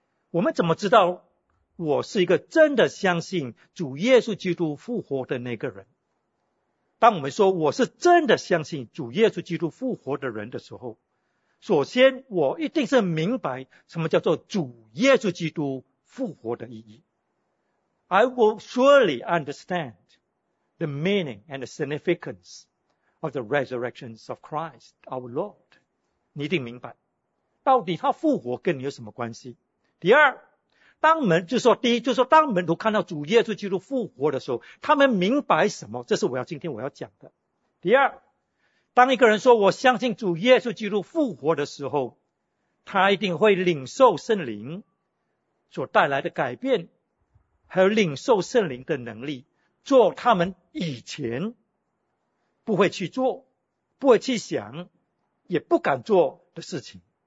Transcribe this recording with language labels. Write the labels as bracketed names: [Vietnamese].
[Chinese] 我们怎么知道我是一个真的相信主耶稣基督复活的那个人？当我们说我是真的相信主耶稣基督复活的人的时候，首先我一定是明白什么叫做主耶稣基督复活的意义。 [English] I will surely understand the meaning and the significance of the resurrection of Christ our Lord. [Chinese] 你一定明白到底他复活跟你有什么关系。第二，当门徒看到主耶稣基督复活的时候，他们明白什么？这是我要今天我要讲的。第二，当一个人说我相信主耶稣基督复活的时候，他一定会领受圣灵所带来的改变，还有领受圣灵的能力，做他们以前不会去做，不会去想，也不敢做的事情。